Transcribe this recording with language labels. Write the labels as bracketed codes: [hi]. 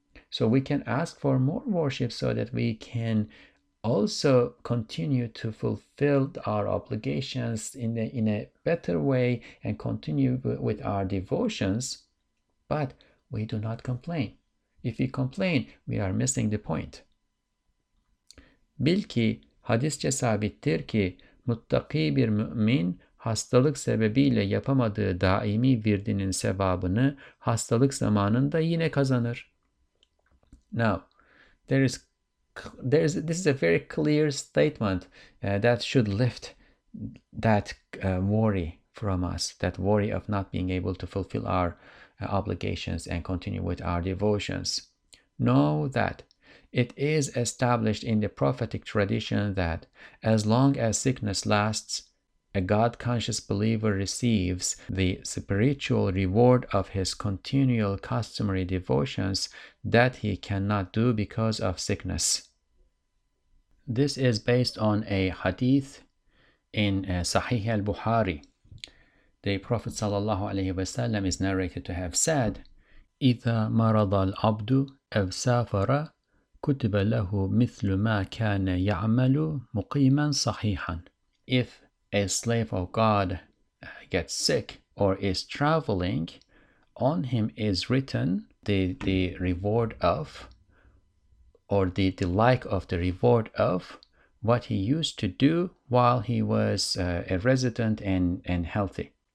[en] So we can ask for more worship so that we can also continue to fulfill our obligations in a better way and continue with our devotions, but we do not complain. If we complain, we are missing the point. [tr] Bil ki, hadisçe sabittir ki, muttaki bir mümin hastalık sebebiyle yapamadığı daimi virdinin sevabını hastalık zamanında yine kazanır. [en] Now, this is a very clear statement that should lift that worry from us, that worry of not being able to fulfill our obligations and continue with our devotions. Know that it is established in the prophetic tradition that as long as sickness lasts, a God-conscious believer receives the spiritual reward of his continual customary devotions that he cannot do because of sickness. This is based on a hadith in Sahih al-Bukhari. The Prophet ﷺ is narrated to have said, [ar] إِذَا مَرَضَ الْعَبْدُ أَوْ سَافَرَ كُتِبَ لَهُ مِثْلُ مَا كَانَ يَعْمَلُ مُقِيمًا صَحِيحًا. [en] If a slave of God gets sick or is traveling, on him is written the reward of, or the like of the reward of, what he used to do while he was a resident and healthy.